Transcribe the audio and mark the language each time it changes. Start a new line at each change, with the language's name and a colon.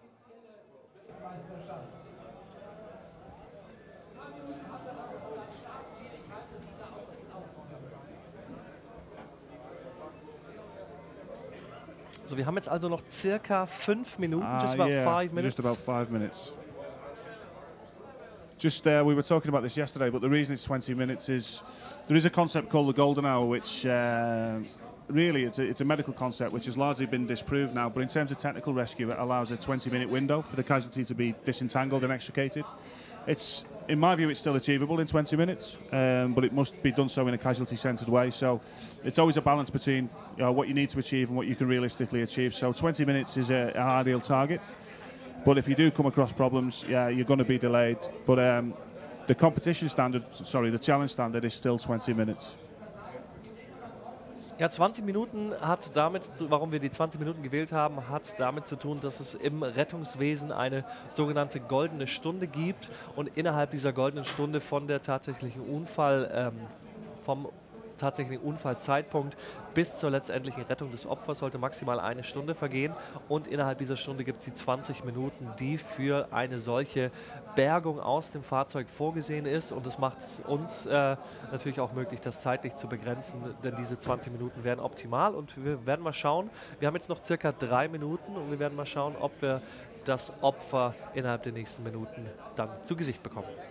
German: Yeah. So, wir haben jetzt also noch circa 5 Minuten.
English: Just about five minutes. We were talking about this yesterday, but the reason it's 20 minutes is there is a concept called the golden hour, which really it's a medical concept which has largely been disproved now. But in terms of technical rescue, it allows a 20-minute window for the casualty to be disentangled and extricated. It's, in my view, it's still achievable in 20 minutes, but it must be done so in a casualty-centered way. So it's always a balance between, you know, what you need to achieve and what you can realistically achieve. So 20 minutes is an ideal target. But if you do come across problems, yeah, you're going to be delayed. But the challenge standard is still 20 minutes.
German: Ja, 20 Minuten hat damit, warum wir die 20 Minuten gewählt haben, hat damit zu tun, dass es im Rettungswesen eine sogenannte goldene Stunde gibt und innerhalb dieser goldenen Stunde von der tatsächlichen Unfall, vom tatsächlichen Unfallzeitpunkt bis zur letztendlichen Rettung des Opfers sollte maximal eine Stunde vergehen und innerhalb dieser Stunde gibt es die 20 Minuten, die für eine solche Bergung aus dem Fahrzeug vorgesehen ist und das macht es uns natürlich auch möglich, das zeitlich zu begrenzen, denn diese 20 Minuten wären optimal und wir werden mal schauen, wir haben jetzt noch circa 3 Minuten und wir werden mal schauen, ob wir das Opfer innerhalb der nächsten Minuten dann zu Gesicht bekommen.